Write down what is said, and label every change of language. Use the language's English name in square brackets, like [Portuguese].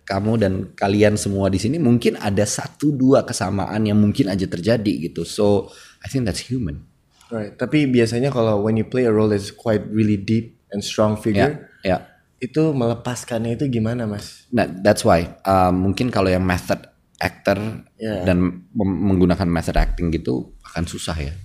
[Indonesian] Kamu dan kalian semua di sini mungkin ada satu dua kesamaan yang mungkin aja terjadi gitu. [English] So I think that's human. Right. [Indonesian] Tapi biasanya kalau [English] when you play a role that's quite really deep and strong figure. Yeah. Yeah. [Indonesian] Itu melepaskannya itu gimana Mas? [English] Nah, that's why. [Indonesian] Mungkin kalau yang method actor dan menggunakan method acting gitu akan susah ya.